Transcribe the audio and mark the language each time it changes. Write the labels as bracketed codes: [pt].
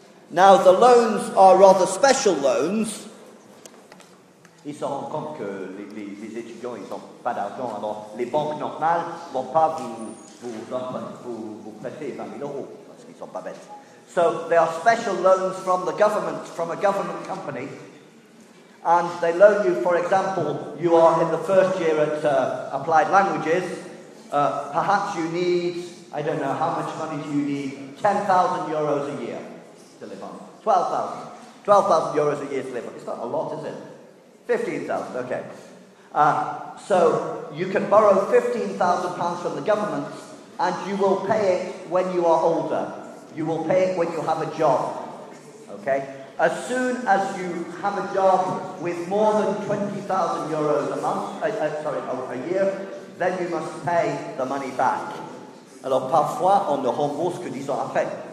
[en] Now the loans are rather special loans. [fr] Ils se rendent compte que les étudiants ils ont pas d'argent. Alors les banques normales vont pas vous prêter 20 000 euros parce qu'ils sont pas bêtes. [en] So they are special loans from the government, from a government company, and they loan you. For example, you are in the first year at Applied Languages. Perhaps you need, I don't know, how much money do you need? 10,000 euros a year to live on. 12,000. 12,000 euros a year to live on. It's not a lot, is it? 15,000, okay. So you can borrow 15,000 pounds from the government and you will pay it when you are older. You will pay it when you have a job, okay? As soon as you have a job with more than 20,000 euros a year, then you must pay the money back. [fr] Alors parfois, on ne rembourse que 10 ans après.